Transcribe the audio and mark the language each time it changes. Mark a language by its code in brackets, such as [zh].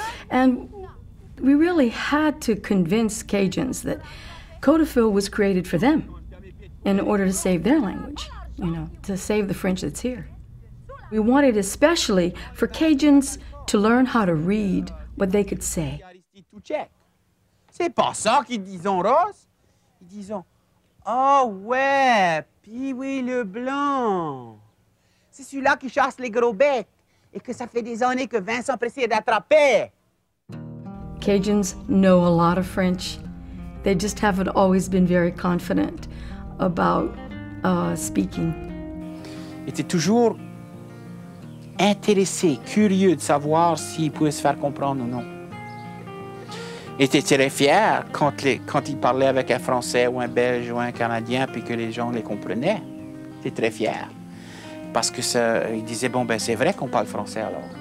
[en] And we really had to convince Cajuns that CODEFIL was created for them in order to save their language, you know, to save the French that's here. We wanted especially for Cajuns to learn how to read what they could say. [fr] C'est pas ça qu'ils disent, Rose. Ils disent, oh ouais, puis oui, le blanc. C'est celui-là qui chasse les gros bêtes et que ça fait des années que Vincent précise d'attraper. [en] Cajuns know a lot of French. They just haven't always been very confident about speaking. [fr] Était toujours intéressé, curieux de savoir s'il pouvait se faire comprendre ou non. Il était très fier quand il parlait avec un Français ou un Belge ou un Canadien puis que les gens les comprenaient. Il était très fier. Parce que ça, il disait, bon, ben c'est vrai qu'on parle français alors.